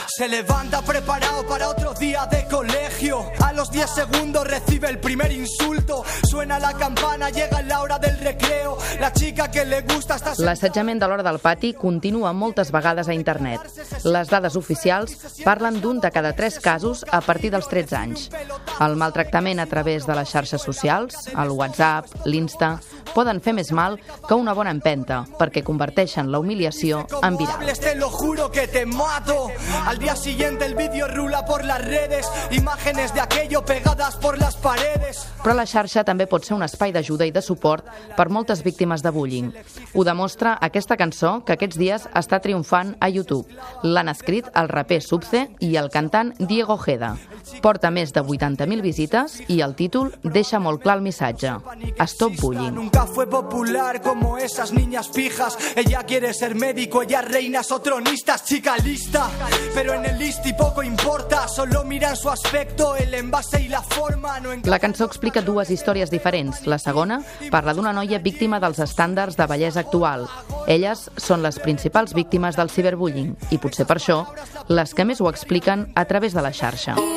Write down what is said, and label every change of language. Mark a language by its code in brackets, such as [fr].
[es] Se levanta preparado para otro día de colegio. A los 10 segundos recibe el primer insulto. Suena la campana, llega la hora del recreo. La chica que le gusta está... [ca] L'assetjament de l'hora del pati continua moltes vegades a internet. Les dades oficials parlen d'un de cada 3 casos a partir dels 13 anys. El maltractament a través de les xarxes socials, el WhatsApp, l'Insta, poden fer més mal que una bona empenta, perquè converteixen la humiliació en viral. [es] Te lo juro que te mato. Al día siguiente el vídeo rula por las redes, imágenes de aquello pegadas por las paredes. [ca] Però la xarxa també pot ser un espai d'ajuda i de suport per moltes víctimes de bullying. Ho demostra aquesta cançó que aquests dies està triomfant a YouTube. L'han escrit el raper Subce i el cantant Diego Jeda. Porta més de 80.000 visites i el títol deixa molt clar el missatge: Stop bullying. [es] Nunca fue popular como esas niñas fijas. Ella quiere ser médico, ella reina, son tronistas, chica lista. Pero en el listi poco importa, solo miran su aspecto, el envase y la forma. [ca] La cançó explica dues històries diferents. La segona parla d'una noia víctima dels estàndards de bellesa actual. Elles són les principals víctimes del ciberbullying i potser per això les que més ho expliquen a través de la xarxa.